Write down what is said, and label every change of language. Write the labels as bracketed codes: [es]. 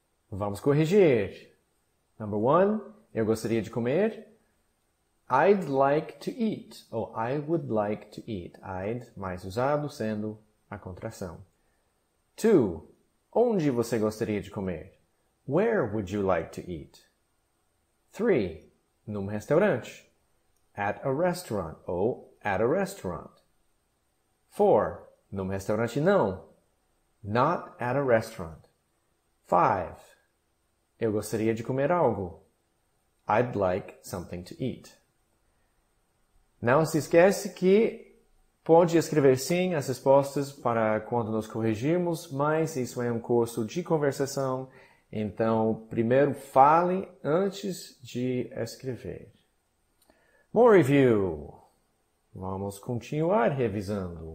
[pt] Vamos corrigir. [en] Number one, [pt] eu gostaria de comer. [en] I'd like to eat. [pt] Ou [en] I would like to eat. [pt] I'd, mais usado, sendo a contração. [en] Two, [pt] onde você gostaria de comer? [en] Where would you like to eat? Three, [pt] num restaurante. [en] At a restaurant. [pt] Ou [en] at a restaurant. Four, [pt] num restaurante não. [en] Not at a restaurant. Five, [pt] eu gostaria de comer algo. [en] I'd like something to eat. [pt] Não se esquece que pode escrever sim as respostas para quando nós corrigirmos, mas isso é um curso de conversação, então primeiro fale antes de escrever. [en] More review. [pt] Vamos continuar revisando.